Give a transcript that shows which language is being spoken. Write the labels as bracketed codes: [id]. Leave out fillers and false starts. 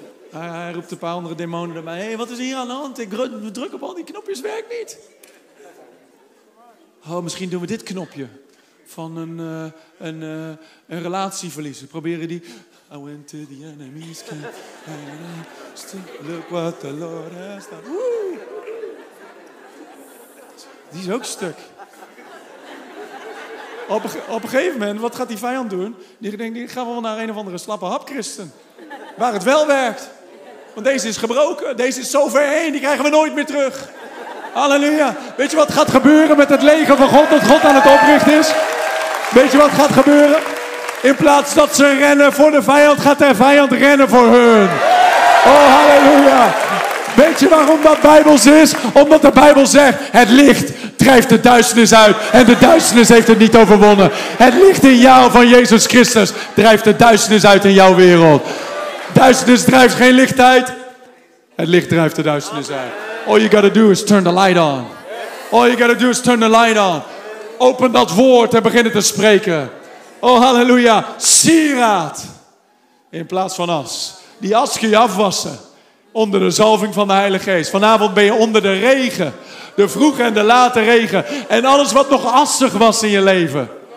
[nl] Hij roept een paar andere demonen erbij. Hé, wat is hier aan de hand? Ik druk op al die knopjes, werkt niet. Oh, misschien doen we dit knopje. Van een relatie verliezen. Proberen die... [en] I went to the enemy's camp and I still look what the Lord has done. Woo! [nl] Die is ook stuk. Op een gegeven moment, wat gaat die vijand doen? Die denkt, ik ga wel naar een of andere slappe hapchristen. Waar het wel werkt. Want deze is gebroken. Deze is zo ver heen. Die krijgen we nooit meer terug. Halleluja. Weet je wat gaat gebeuren met het leger van God? Dat God aan het oprichten is. Weet je wat gaat gebeuren? In plaats dat ze rennen voor de vijand, gaat de vijand rennen voor hun. Oh, halleluja. Weet je waarom dat Bijbels is? Omdat de Bijbel zegt, het licht drijft de duisternis uit. En de duisternis heeft het niet overwonnen. Het licht in jou van Jezus Christus drijft de duisternis uit in jouw wereld. Duisternis drijft geen licht uit. Het licht drijft de duisternis uit. [en] All you gotta do is turn the light on. All you gotta do is turn the light on. [nl] Open dat woord en begin het te spreken. Oh, halleluja. Sieraad. In plaats van as. Die as kun je afwassen. Onder de zalving van de Heilige Geest. Vanavond ben je onder de regen. De vroege en de late regen. En alles wat nog assig was in je leven.